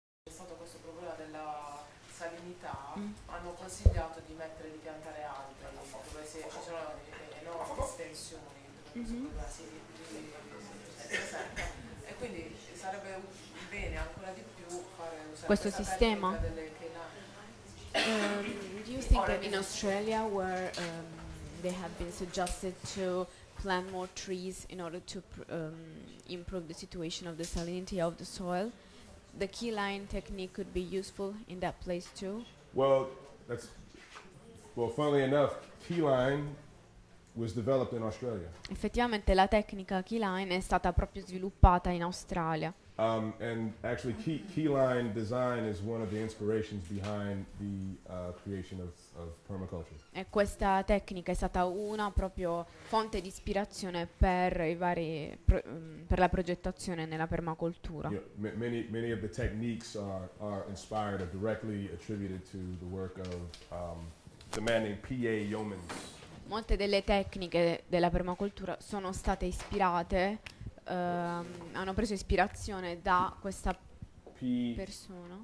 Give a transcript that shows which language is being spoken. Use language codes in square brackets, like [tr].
[it] stato questo problema della salinità, hanno consigliato di mettere, di piantare alberi dove ci sono enormi estensioni, dove questo problema si presenta. E quindi sarebbe bene ancora di più fare, usare Questo questa tecnica sistema? delle [en] Do you think that in Australia, where they have been suggested to plant more trees in order to improve the situation of the salinity of the soil, the key line technique could be useful in that place too? Well, that's well. Funnily enough, key line was developed in Australia. [it] Effettivamente la tecnica key line è stata proprio sviluppata in Australia. [en] And actually, key line design is one of the inspirations behind the creation of permaculture. [it] E questa tecnica è stata una proprio fonte di ispirazione per i vari per la progettazione nella permacultura. [en] You know, many of the techniques are inspired or directly attributed to the work of the man named P.A. Yeomans. [it] Molte delle tecniche della permacultura sono state ispirate, hanno preso ispirazione da questa persona.